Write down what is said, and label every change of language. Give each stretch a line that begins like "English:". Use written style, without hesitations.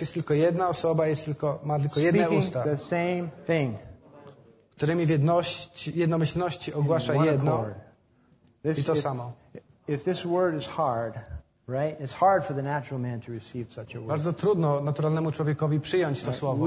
Polish: jest tylko jedna osoba, ma tylko jedne usta.
English: The same thing.
Polish: Którymi w jednomyślności ogłasza jedno. I to samo.
English: If this word is hard, right? It's hard for the natural man to receive such a word.
Polish: Bardzo trudno naturalnemu człowiekowi przyjąć to słowo.